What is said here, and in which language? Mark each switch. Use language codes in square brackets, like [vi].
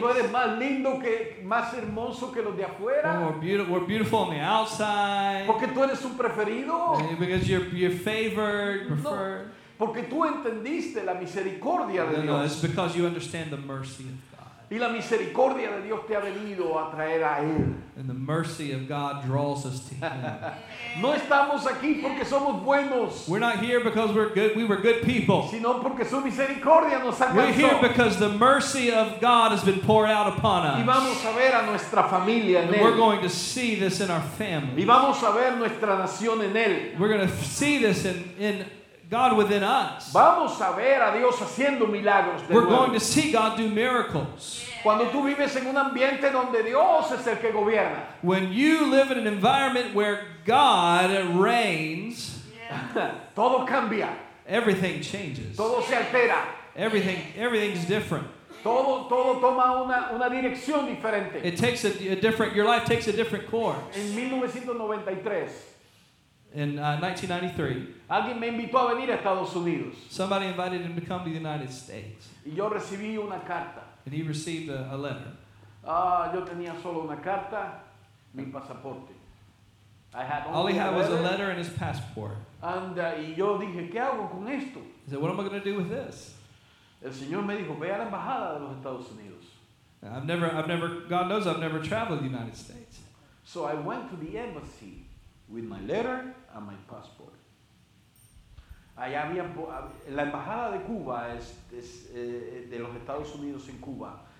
[es] Tú eres más lindo que más hermoso que los de afuera. [en] We're beautiful on the outside. [es] Porque tú eres un preferido. [en] Because you're favored, preferred. [es] No, porque tú entendiste la misericordia de Dios. [en] No, it's because you understand the mercy of God. [es] Y la misericordia de Dios te ha venido a traer a Él. [en] And the mercy of God draws us to Him. [es] No estamos aquí porque somos buenos. [en] We're not here because we're good. We were good people. [es] Sino porque su misericordia nos alcanzó. [en] We're here because the mercy of God has been poured out upon us. [es] Y vamos a ver a nuestra familia en él. [en] We're going to see this in our family. [es] Y vamos a ver nuestra nación en él. [en] We're going to see this in God within us. [es] Vamos a ver a Dios haciendo milagros. [en] We're going to see God do miracles. [es] Cuando tú vives en un ambiente donde Dios es el que gobierna. [en] When you live in an environment where God reigns, [es] todo cambia. [en] Everything changes. [es] Todo se altera. [en] Everything's different. [es] Todo toma una dirección diferente. [en] It takes a different. Your life takes a different course. [es] En 1993. [en] In 1993, [es] alguien me invitó a venir a Estados Unidos. [en] Somebody invited him to come to the United States. [es] Y yo recibí una carta. [en] And he received a letter. [es] Yo tenía solo una carta, mi pasaporte. [en] I had all he had was a letter and his passport. [es] And y yo dije, ¿qué hago con esto? [en] He said, what am I going to do with this? [es] El Señor me dijo, ve a la embajada de los Estados Unidos. [en] I've never, God knows, I've never traveled the United States. So I went to the embassy. With my letter and my passport. [es] Allá había la embajada de Cuba es de los Estados Unidos en Cuba.